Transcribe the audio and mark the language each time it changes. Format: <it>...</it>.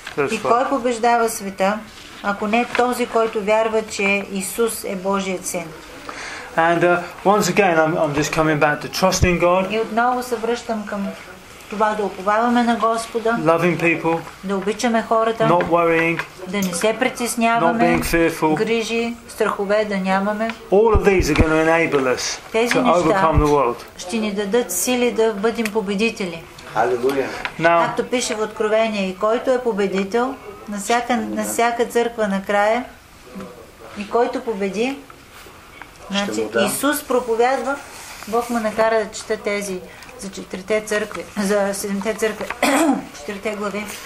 <bg>И кой побеждава света, ако не този, който вярва, че Исус е Божият Син?</bg> <en>And once again, I'm just coming back to trusting God.</en> <bg>И отново се връщам към това да уповаваме на Господа.</bg> <en>Loving people.</en> <bg>Да обичаме хората.</bg> <en>Not worrying.</en> <bg>Да не се притесняваме.</bg> <en>Not being fearful.</en> <bg>Грижи, страхове да нямаме.</bg> <en>All of these are going to enable us to overcome the world.</en> <bg>Ще ни дадат сили да бъдем победители. Алелуя. Както пише в Откровение, и който е победител, на всяка църква накрая, и който победи, значи Исус проповядва, Бог ме накара да чета тези за четирите църкви, за седемте църкви, четирите глави.</bg>